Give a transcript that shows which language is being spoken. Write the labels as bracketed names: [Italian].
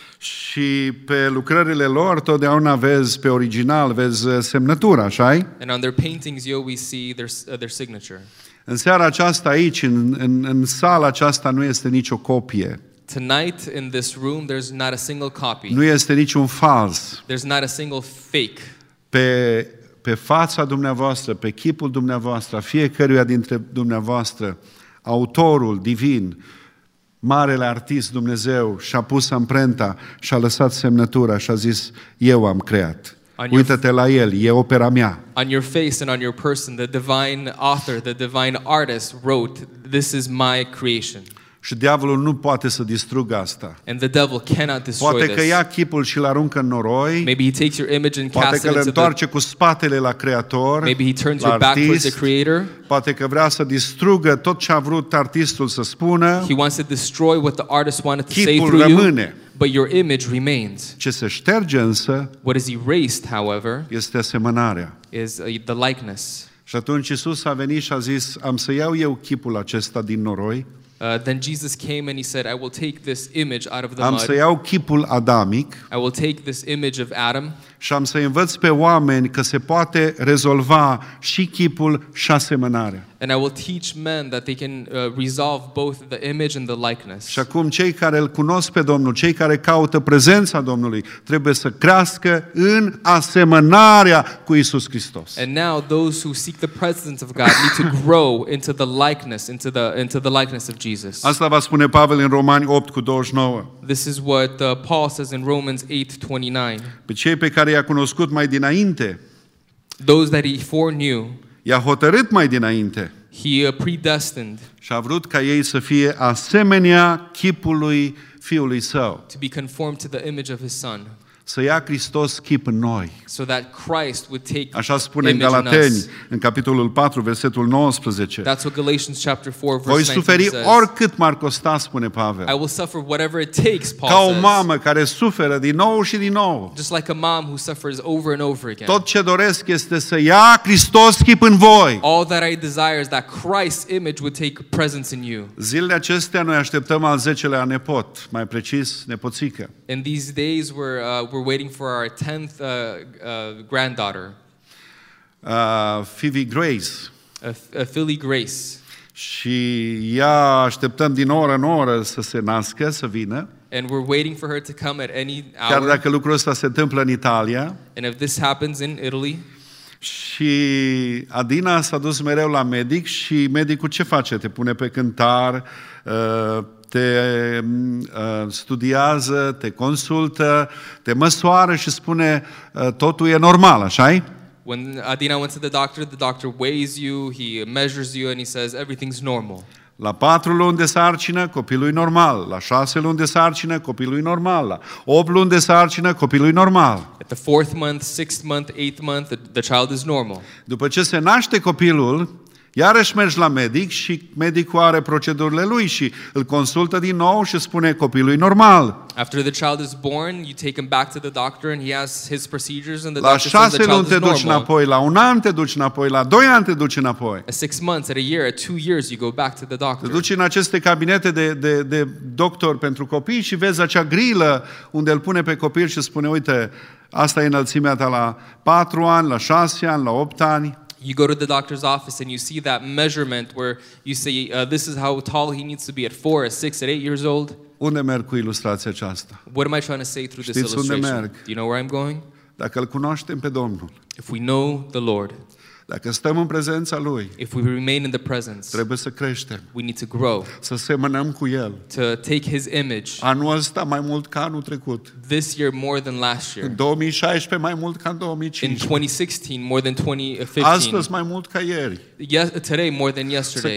[Romanian] Și pe lucrările lor totdeauna vezi pe original, vezi semnătura, așa-i? [English] And on their paintings you always see their signature. [Romanian] În seara aceasta aici, în sala aceasta, nu este nicio copie. [English] Tonight in this room there's not a single copy. [Romanian] Nu este niciun fals. [English] There's not a single fake. [Romanian] Pe fața dumneavoastră, pe chipul dumneavoastră, fiecăruia dintre dumneavoastră, autorul divin, marele artist Dumnezeu și-a pus amprenta și-a lăsat semnătura și-a zis, eu am creat. Uită-te la el, e opera mea. [English] On your face and on your person, the divine author, the divine artist wrote, this is my creation. [Romanian] Și diavolul nu poate să distrugă asta. [English] And the devil cannot destroy this. [Romanian] Poate că ia chipul și-l aruncă în noroi. [English] Maybe he takes your image and casts it into the... [Romanian] Poate că întoarce cu spatele la creator. [English] Maybe he turns your back towards the creator. [Romanian] Poate că vrea să distrugă tot ce a vrut artistul să spună. [English] He wants to destroy what the artist wanted to say through you. [Romanian] Chipul rămâne. [English] But your image remains. [Romanian] Ce se șterge însă, [English] what is erased, however, [Romanian] este asemănarea. [English] Is the likeness. [Romanian] Și atunci Iisus a venit și a zis, am să iau eu chipul acesta din noroi. [English] Then Jesus came and he said, I will take this image out of the [Romanian] am [English] mud. [Romanian] Am să iau chipul adamic. [English] I will take this image of Adam. [Romanian] Și am să învăț pe oameni că se poate rezolva și chipul și asemănarea. [English] And I will teach men that they can resolve both the image and the likeness. [Romanian] Și acum cei care îl cunosc pe Domnul, cei care caută prezența Domnului, trebuie să crească în asemănarea cu Iisus Hristos. [English] And now those who seek the presence of God need to grow into the likeness, into the likeness of Jesus. [Romanian] Asta va spune Pavel în Romani 8:29. [English] This is what Paul says in Romans 8:29. [Romanian] Pe cei pe care i-a cunoscut mai dinainte. [English] Those that he foreknew. [Romanian] I-a hotărât mai dinainte. [English] He predestined. [Romanian] Și a vrut ca ei să fie asemenea chipului fiului său. [English] To be conformed to the image of his son. [Romanian] Să ia Hristos chip în noi. [English] So that Christ would take. [Romanian] Așa spune în Galateni, în capitolul 4, versetul 19. [English] That's what Galatians chapter 4 verse [Romanian] 19. Voi suferi oricât m-ar costa, spune Pavel. [English] I will suffer whatever it takes, Paul. [Romanian] Ca o mamă care suferă din nou și din nou. [English] Just like a mom who suffers over and over again. [Romanian] Tot ce doresc este să ia Hristos chip în voi. [English] All that I desire is that Christ's image would take presence in you. [Romanian] Zilele acestea noi așteptăm al 10-lea nepot, mai precis nepoțică. [English] In these days we're waiting for our 10th granddaughter. [Romanian] Phoebe Grace. [English] Philly Grace. [Romanian] Și ea așteptăm din oră în oră să se nască, să vină. [English] And we're waiting for her to come at any hour. [Romanian] Chiar dacă lucrul ăsta se întâmplă în Italia. [English] And if this happens in Italy. [Romanian] Și Adina s-a dus mereu la medic și medicul ce face? Te pune pe cântar, te studiază, te consultă, te măsoară și spune totul e normal, așa-i? [English] When Adina went to the doctor weighs you, he measures you and he says everything's normal. [Romanian] La 4 luni de sarcină, copilul e normal. La 6 luni de sarcină, copilul e normal. La 8 luni de sarcină, copilul e normal. [English] At the 4th month, 6th month, 8th month, the child is normal. [Romanian] După ce se naște copilul, iarăși mergi la medic și medicul are procedurile lui și îl consultă din nou și spune copilul e normal. [English] After the child is born, you take him back to the doctor and he has his procedures and the [Romanian] la [English] doctor says the child is normal. [Romanian] La 6 luni te duci înapoi, la 1 an te duci înapoi, la 2 ani te duci înapoi. [English] At 6 months, at a year, at 2 years you go back to the doctor. [Romanian] Te duci în aceste cabinete de doctor pentru copii și vezi acea grilă unde îl pune pe copil și spune uite, asta e înălțimea ta la 4 ani, la 6 ani, la 8 ani. [English] You go to the doctor's office and you see that measurement where you say this is how tall he needs to be at 4, at 6, at 8 years old. [Romanian] Unde merg cu ilustrația aceasta? [English] What am I trying to say through [Romanian] Știți [English] this illustration? [Romanian] Unde merg? [English] Do you know where I'm going? [Romanian] Dacă îl cunoaștem pe Domnul. [English] If we know the Lord. [Romanian] Dacă stăm în prezența lui. [English] If we remain in the presence. [Romanian] Trebuie să creștem. [English] We need to grow. [Romanian] Să semănăm cu el. [English] To take his image. [Romanian] Anul ăsta mai mult ca anul trecut. [English] This year more than last year. [Romanian] În 2016 mai mult ca în 2015. [English] In 2016 more than 2015. [Romanian] Astăzi mai mult ca ieri. [English] Yes, today more than yesterday.